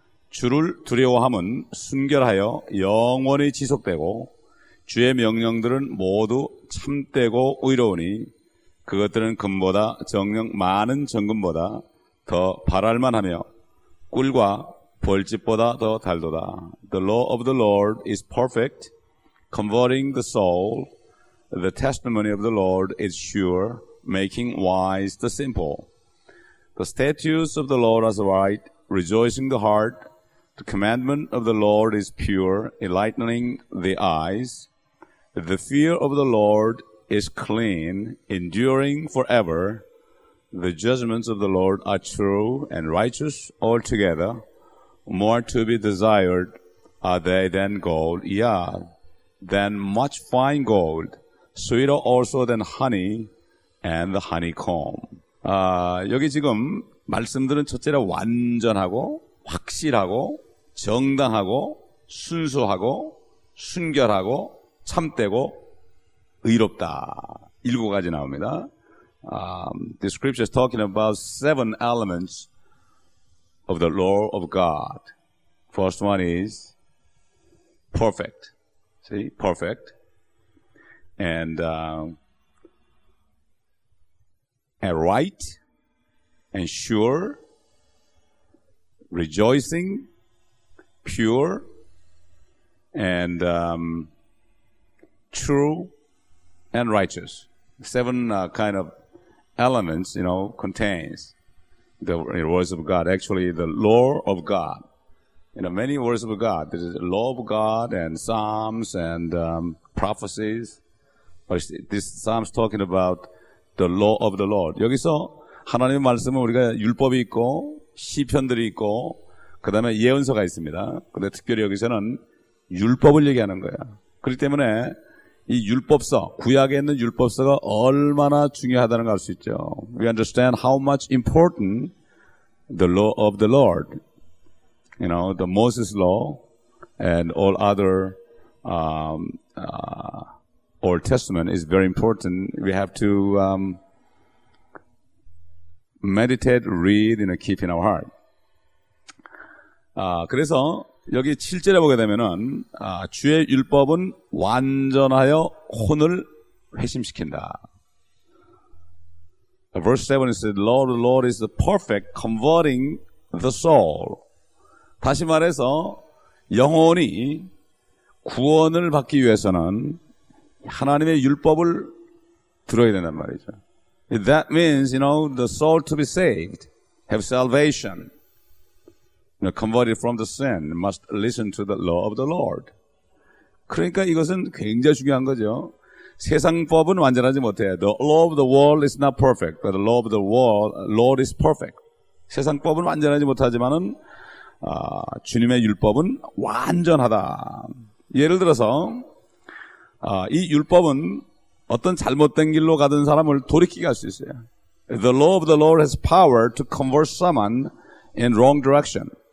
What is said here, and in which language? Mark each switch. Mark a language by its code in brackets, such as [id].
[ko] 주를 두려워함은 순결하여 영원히 지속되고 주의 명령들은 모두 참되고 의로우니 그것들은 금보다 정녕 많은 정금보다 더 바랄만하며 꿀과 벌집보다 더 달도다. [en] The law of the Lord is perfect, converting the soul. The testimony of the Lord is sure, making wise the simple. The statutes of the Lord are right, rejoicing the heart. The commandment of the Lord is pure, enlightening the eyes. The fear of the Lord is clean, enduring forever. The judgments of the Lord are true and righteous altogether. More to be desired are they than gold, yea, than much fine gold, sweeter also than honey and the honeycomb. [ko] 여기 지금 말씀들은 첫째로 완전하고 확실하고 정당하고 순수하고 순결하고 참되고 의롭다. 일곱 가지 나옵니다. [en] The scripture is talking about seven elements of the law of God. First one is perfect. See, perfect. And right and sure, rejoicing, pure, and true and righteous. Seven kind of elements, you know, contains the words of God. Actually, the law of God. You know, many words of God. There is the law of God and psalms and prophecies. But this psalm's talking about the law of the Lord. [ko] 여기서 하나님의 말씀은 우리가 율법이 있고 시편들이 있고 그 다음에 예언서가 있습니다. 그런데 특별히 여기서는 율법을 얘기하는 거야. 그렇기 때문에 이 율법서, 구약에 있는 율법서가 얼마나 중요하다는 걸 알 수 있죠. [en] We understand how much important the law of the Lord, you know, the Moses law and all other Old Testament is very important. We have to meditate, read, and keep in our heart. [ko] 그래서 여기 7절에 보게 되면은 주의 율법은 완전하여 혼을 회심시킨다. [en] Verse 7 says, "Lord, the Lord is the perfect, converting the soul." [ko] 다시 말해서 영혼이 구원을 받기 위해서는 하나님의 율법을 들어야 된단 말이죠. [en] That means, you know, the soul to be saved, have salvation, you know, converted from the sin, must listen to the law of the Lord. [ko] 그러니까 이것은 굉장히 중요한 거죠. 세상법은 완전하지 못해요. [en] The law of the world is not perfect, but the law of the world, Lord is perfect. [ko] 세상법은 완전하지 못하지만은 주님의 율법은 완전하다. 예를 들어서 이 율법은 어떤 잘못된 길로 가던 사람을 돌이키게 할 수 있어요. [en] The law of the Lord has power to convert someone in wrong direction.